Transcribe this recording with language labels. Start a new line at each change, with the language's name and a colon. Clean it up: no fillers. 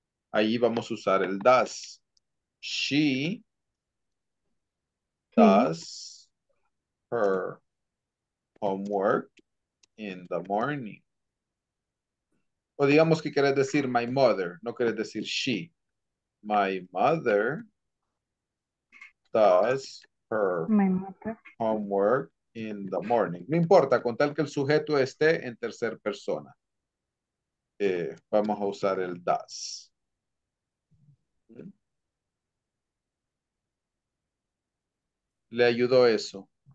Spanish: Ahí vamos a usar el
English: does. She does her homework in the morning.
Spanish: O digamos que quieres decir
English: my mother,
Spanish: no quieres decir she.
English: My mother does her homework in the morning.
Spanish: No importa, con tal que el sujeto esté en tercera persona. Vamos a usar el does. ¿Le ayudó eso?